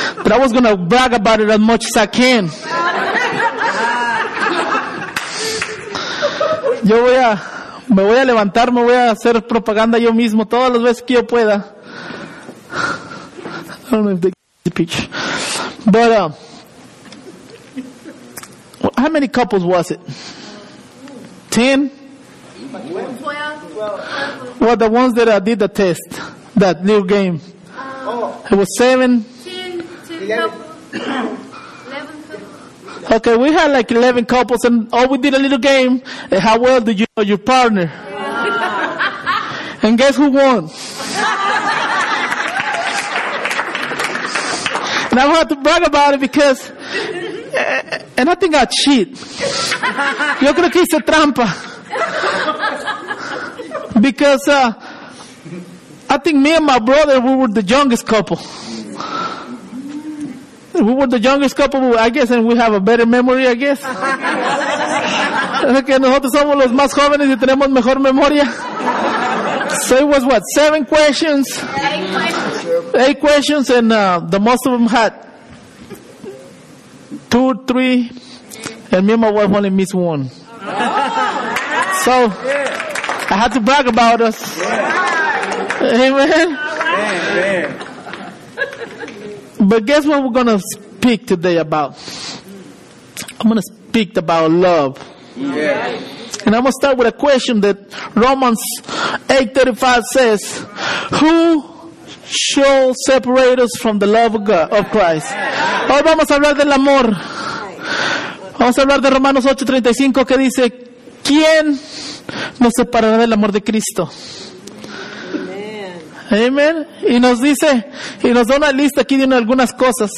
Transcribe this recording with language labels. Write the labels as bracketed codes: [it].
[en] But I was going to brag about it as much as I can. [es] Yo voy a, me voy a levantar, me voy a hacer propaganda yo mismo todas las veces que yo pueda. [en] I don't know if they get the picture. But, how many couples was it? 10? Well, the ones that did the test, that new game. It was 7? 11 couples. Okay, we had like 11 couples, and all we did a little game, and how well did you know your partner? And guess who won? And I don't have to brag about it because, and I think I cheat. [es] Yo creo que hice trampa. [en] Because I think me and my brother, we were the youngest couple. We were the youngest couple, I guess, and we have a better memory, I guess. [es] Que nosotros somos los más jóvenes y tenemos mejor memoria. [en] So it was what, 7 questions? 8 questions. 8 questions, and the most of them had 2 or 3, and me and my wife only missed 1. So I had to brag about us. Amen. But guess what we're going to speak today about? I'm going to speak about love. Yeah. And I'm going to start with a question that Romans 8:35 says, who shall separate us from the love of God, of Christ? [es] Hoy vamos a hablar del amor. Vamos a hablar de Romanos 8:35 que dice, ¿quién nos separará del amor de Cristo? Amen. Y nos dice, y nos da una lista aquí de algunas cosas.